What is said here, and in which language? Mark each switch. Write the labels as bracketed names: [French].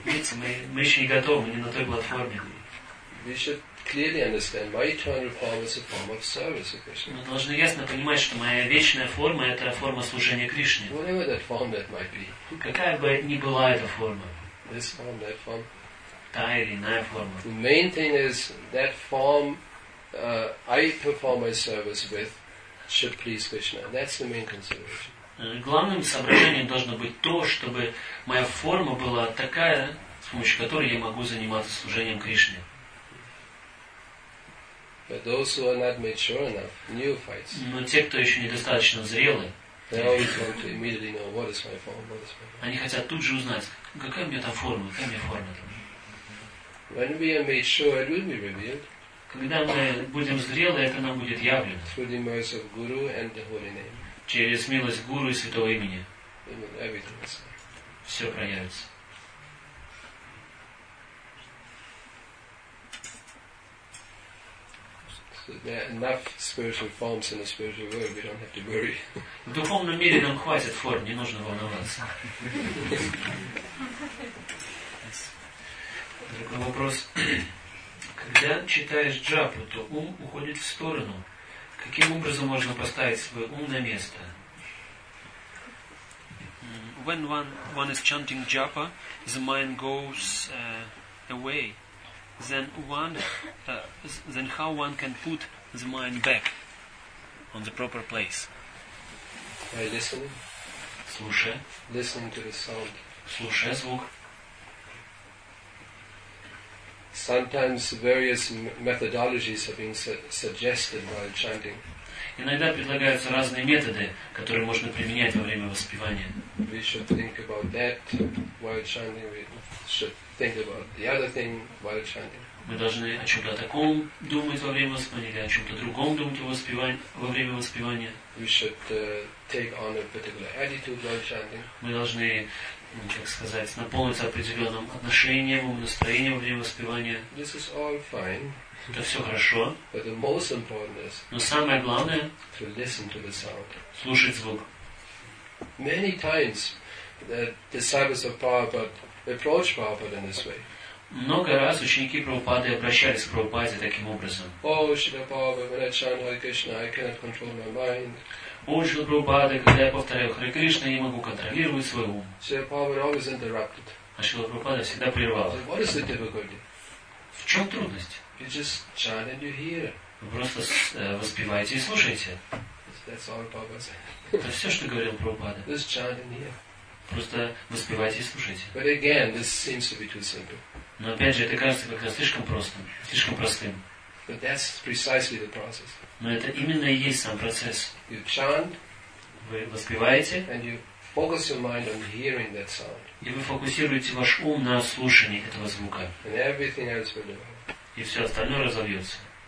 [Russian] Видите, мы еще не готовы, не на той платформе. [English] We should clearly understand my eternal form is a form of service to Krishna. [Russian] Мы должны ясно понимать, что моя вечная форма это форма служения Кришне. [English] Whatever that form that might be. [Russian] Какая бы ни была эта форма. [English] This form, that form. [Russian] Та или иная форма. [English] The main thing is that form I perform my service with should please Krishna. That's the main consideration. [Russian] Главным соображением должно быть то, чтобы моя форма была такая, с помощью которой я могу заниматься служением Кришне. [English] But those who are not mature enough, new fights. [Russian] Но те, кто еще недостаточно зрелы, они хотят тут же узнать, какая у меня там форма, какая у меня форма там. [English] When we are made sure, it will be revealed. [Russian] Когда мы будем зрелы, это нам будет явлено. [English] Through the mercy of Guru and the holy name. [Russian] Через милость Гуру и Святого имени. [English] Everything is fine. [Russian] Все проявится. [English] There are enough spiritual forms in the spiritual world. We don't have to worry. [Russian] В духовном мире нам хватит форм, не нужно волноваться. Другой вопрос: когда читаешь джапу, то ум уходит в сторону. Каким образом можно поставить свой ум на место? [English] When one is chanting japa, the mind goes away. Then how one can put the mind back on the proper place? By listening. [Russian] Слушая. [English] Listening to the sound. [Russian] Слушая звук. [English] Sometimes various methodologies are being suggested while chanting. [Russian] Иногда предлагаются разные методы, которые можно применять во время воспевания. [English] We should think about that while chanting. We should think about the other thing while chanting. [Russian] Мы должны о чем-то таком думать во время воспевания или о чем-то другом думать во время воспевания. [English] We should take on a particular attitude while chanting. [Russian] Мы должны, как сказать, наполниться определенным отношением, настроением во время воспевания. [English] This is all fine. [Russian] Это все хорошо. [English] But the most important is. [Russian] Но самое главное. [English] To listen to the sound. [Russian] Слушать звук. [English] Many times the disciples of Prabhupada approach Prabhupada in this way. [Russian] Много раз ученики Прабхупады обращались к Прабхупаде таким образом. [English] Oh, Shri Prabhupada, when I chant Hare Krishna, I cannot control my mind. [Russian] Oh, Shri Prabhupada, когда я повторяю Hare Krishna, я не могу контролировать свой ум. [English] Shri Prabhupada always interrupted. [Russian] А Шрила Прабхупада всегда прервал. [English] What is the difficulty? [Russian] В чем трудность? [English] You just chant and you hear. [Russian] Вы просто воспеваете и слушаете. [English] That's all Prabhupada said. [Russian] Это все, что говорил Прабхупада. [English] Just chant and hear. [Russian] Просто воспевайте и слушайте. [English] But again, this seems to be too simple. [Russian] Но опять же, это кажется как-то слишком простым, слишком простым. [English] But that's precisely the process. [Russian] Но это именно и есть сам процесс. [English] You chant, [Russian] вы воспеваете, [English] and you focus your mind on hearing that sound. [Russian] И вы фокусируете ваш ум на слушании этого звука. [English] And everything else will develop. [Russian] И все остальное разовьется.